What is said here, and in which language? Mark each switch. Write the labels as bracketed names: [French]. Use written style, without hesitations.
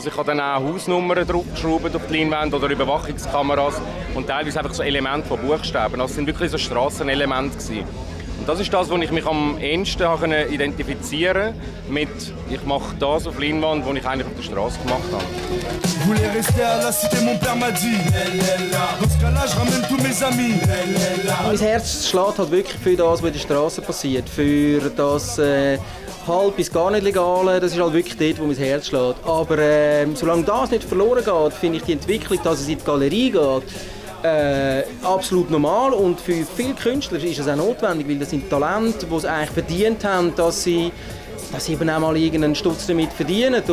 [German] Also ich habe dann auch Hausnummern draufgeschraubt auf die Leinwände oder Überwachungskameras. Und teilweise einfach so Elemente von Buchstaben. Also es waren wirklich so Strassenelemente gewesen. Und das ist das, wo ich mich am ehesten identifizieren konnte mit ich mache das auf Leinwand, was ich eigentlich auf der Straße gemacht habe. [French] Vous voulez rester à la cité, mon père m'a dit. Dans ce cas-là, je ramène tous mes amis. [German] Mein Herz schlägt halt wirklich für das, was in der Straße passiert. Für das halb bis gar nicht legale, das ist halt wirklich dort, wo mein Herz schlägt. Aber solange das nicht verloren geht, finde ich die Entwicklung, dass es in die Galerie geht, absolut normal und für viele Künstler ist das auch notwendig, weil das sind Talente, die es eigentlich verdient haben, dass sie eben auch mal irgendeinen Stutz damit verdienen.